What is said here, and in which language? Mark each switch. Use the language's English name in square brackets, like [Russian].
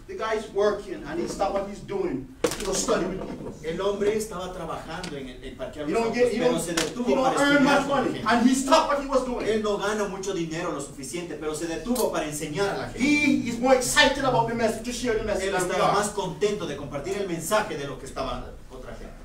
[English] The guy is working and he stopped what he's doing. He was studying with people. [Spanish] El hombre estaba trabajando en el parque. Pero se detuvo para estudiar. [English] He don't earn much money and he stopped what he was doing. [Spanish] Él no gana mucho dinero lo suficiente, pero se detuvo para enseñar a la gente. [English] He is more excited about the message to share the message. [Spanish] Él estaba más contento de compartir el mensaje de lo que estaba otra gente.